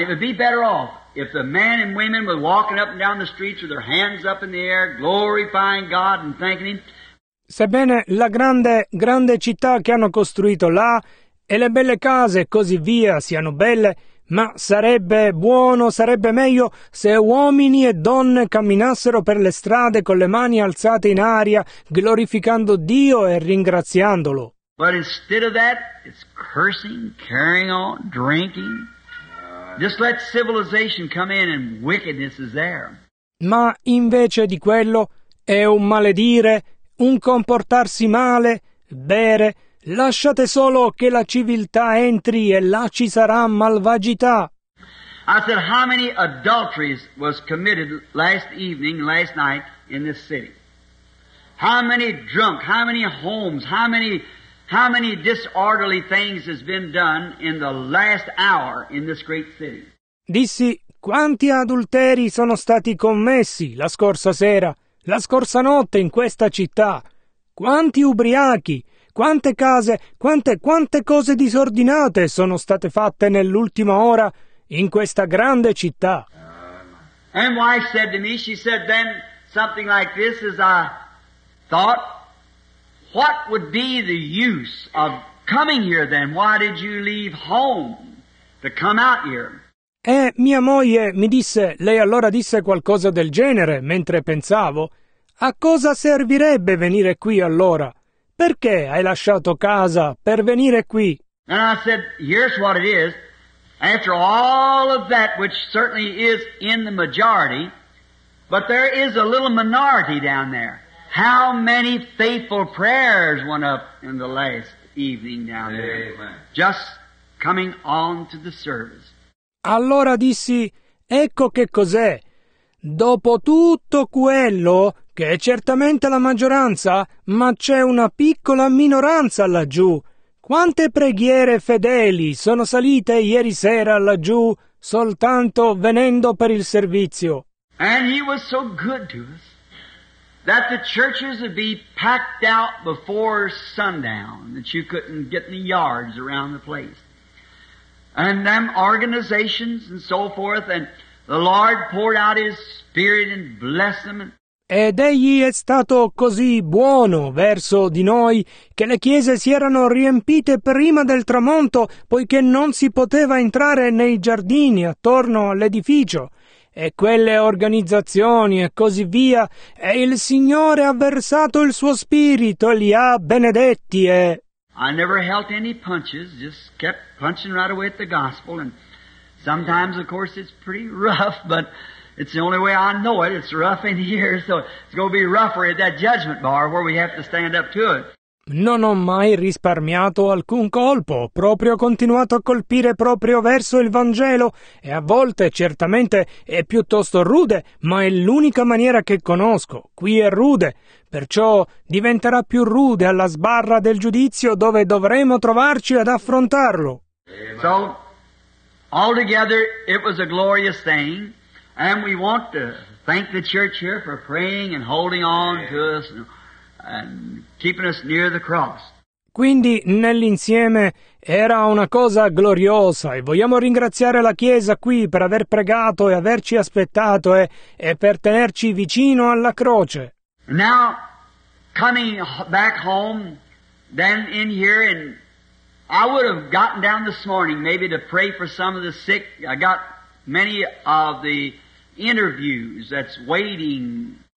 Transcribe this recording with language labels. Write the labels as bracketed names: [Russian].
[English] It would be better off if the men and women were walking up and down the streets with their hands up in the air, glorifying God and thanking Him. [Italian] Sebbene la grande città che hanno costruito là e le belle case e così via siano belle, ma sarebbe meglio se uomini e donne camminassero per le strade con le mani alzate in aria, glorificando Dio e ringraziandolo. [English] But instead of that, it's cursing, carrying on, drinking. Just let civilization come in and wickedness is there. [Italian] Ma invece di quello, è un maledire, un comportarsi male, bere. Lasciate solo che la civiltà entri e là ci sarà malvagità. [English] I said, how many adulteries was committed last evening, last night in this city? How many drunk, how many homes, how many disorderly things has been done in the last hour in this great city? [Italian] Dissi, quanti adulteri sono stati commessi la scorsa sera, la scorsa notte in questa città? Quanti ubriachi? Quante case, quante cose disordinate sono state fatte nell'ultima ora in questa grande città. [English] And wife said to me, she said then something like this, as I thought, what would be the use of coming here then? Why did you leave home to come out here? [Italian] E mia moglie mi disse, lei allora disse qualcosa del genere, mentre pensavo, a cosa servirebbe venire qui allora? Perché hai lasciato casa per venire qui? [English] And I said, here's what it is. After all of that, which certainly is in the majority, but there is a little minority down there. How many faithful prayers went up in the last evening down there? Amen. Just coming on to the service. [Italian] Allora dissi, ecco che cos'è. Dopo tutto quello, che è certamente la maggioranza, ma c'è una piccola minoranza laggiù. Quante preghiere fedeli sono salite ieri sera laggiù, soltanto venendo per il servizio. [English] And he was so good to us that the churches would be packed out before sundown, that you couldn't get any yards around the place. And them organizations and so forth, and the Lord poured out his spirit and blessed them. [Italian] Ed egli è stato così buono verso di noi che le chiese si erano riempite prima del tramonto, poiché non si poteva entrare nei giardini attorno all'edificio, e quelle organizzazioni e così via, e il Signore ha versato il suo spirito e li ha benedetti. E [English] I never held any punches, just kept punching right away at the gospel, and sometimes of course it's pretty rough, but it's the only way I know it. It's rough in here, so it's going to be rougher at that judgment bar where we have to stand up to it. [Italian] Non ho mai risparmiato alcun colpo. Proprio continuato a colpire proprio verso il Vangelo. E a volte, certamente, è piuttosto rude, ma è l'unica maniera che conosco. Qui è rude. Perciò diventerà più rude alla sbarra del giudizio dove dovremo trovarci ad affrontarlo. [English] So, altogether, it was a glorious thing. And we want to thank the church here for praying and holding on to us and keeping us near the cross. [Italian] Quindi nell'insieme era una cosa gloriosa e vogliamo ringraziare la Chiesa qui per aver pregato e averci aspettato e per tenerci vicino alla croce. [English] Now, coming back home, then in here, and I would have gotten down this morning maybe to pray for some of the sick. I got many of the interviews that's waiting.